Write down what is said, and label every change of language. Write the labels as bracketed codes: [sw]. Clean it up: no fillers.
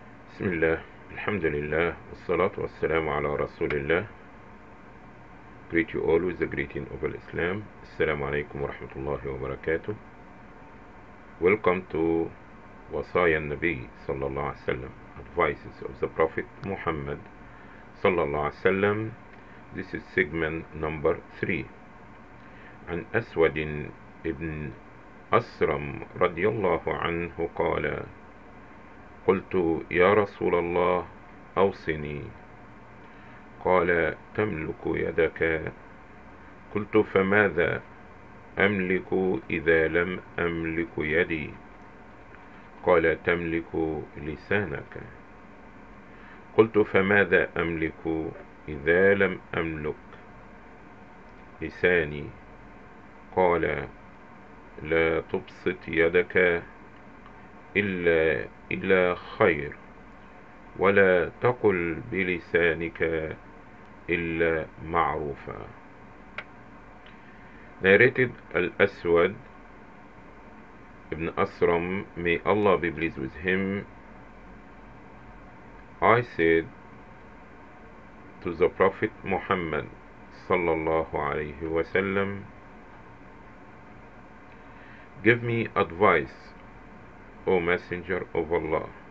[ar] بسم الله، الحمد لله، والصلاة والسلام على رسول الله. [en] Greet you all with the greeting of Islam. [ar] السلام عليكم ورحمة الله وبركاته. [en] Welcome to [ar] وصايا النبي صلى الله عليه وسلم. [en] Advices of the Prophet Muhammad صلى الله عليه وسلم. This is segment number 3. [ar] عن أسود بن أسرم رضي الله عنه قال قلت يا رسول الله أوصني. قال تملك يدك؟ قلت فماذا أملك إذا لم أملك يدي؟ قال تملك لسانك. قلت فماذا أملك إذا لم أملك لساني؟ قال لا تبسط يدك إلا إلى خير، ولا تقل بلسانك إلا معروفا. [en] Narrated Al-Aswad ibn Asram, may Allah be pleased with him. I said to the Prophet Muhammad sallallahu alayhi wa sallam, give me advice, O Messenger of Allah.